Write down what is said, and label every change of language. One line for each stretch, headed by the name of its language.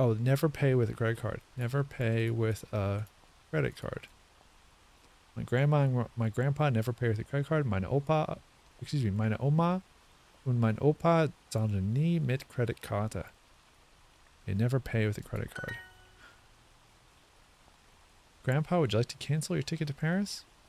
English: Oh, never pay with a credit card. Never pay with a credit card. My grandma and my grandpa never pay with a credit card.
German: Meine Oma und mein Opa zahlen nie mit Kreditkarte.
English: They never pay with a credit card. Grandpa, would you like to cancel your ticket to Paris?